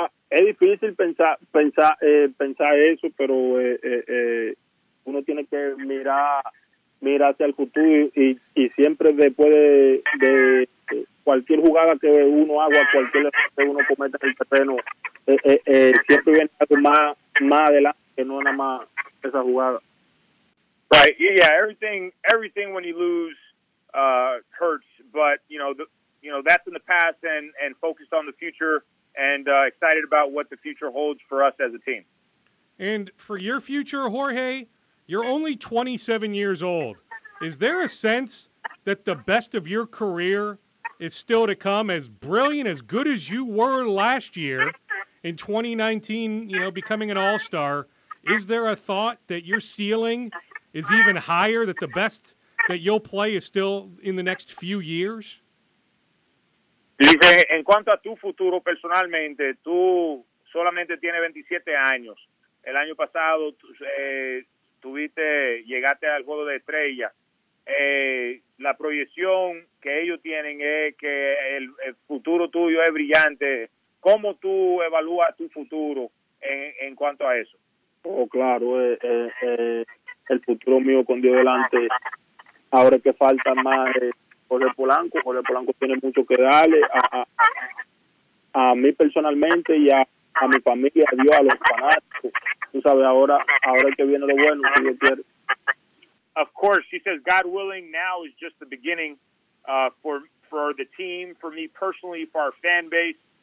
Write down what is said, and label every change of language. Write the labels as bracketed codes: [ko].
[es] Es difícil pensar eso, pero uno tiene que mirar hacia el futuro y siempre después de cualquier jugada que uno haga, cualquier error que uno cometa en el terreno, siempre viene algo más adelante que no nada más esa jugada. [en] Right, yeah, everything when you lose hurts, but you know that's in the past and focused on the future. And excited about what the future holds for us as a team. And for your future, Jorge, you're only 27 years old. Is there a sense that the best of your career is still to come? As brilliant, as good as you were last year in 2019, you know, becoming an all-star, is there a thought that your ceiling is even higher, that the best that you'll play is still in the next few years? [es] Dice, en cuanto a tu futuro personalmente, tú solamente tienes 27 años. El año pasado llegaste al juego de estrella. La proyección que ellos tienen es que el futuro tuyo es brillante. ¿cómo tú evalúas tu futuro en cuanto a eso? Oh, claro, el futuro mío con Dios delante. Ahora que falta más Jorge Polanco tiene mucho que darle a mí personalmente y a mi familia, a Dios, a los fanáticos. Tú sabes, ahora que viene lo bueno, si Dios quiere. [en] Of course, he says, God willing, now is just the beginning for the team, for me personally, for our fan base.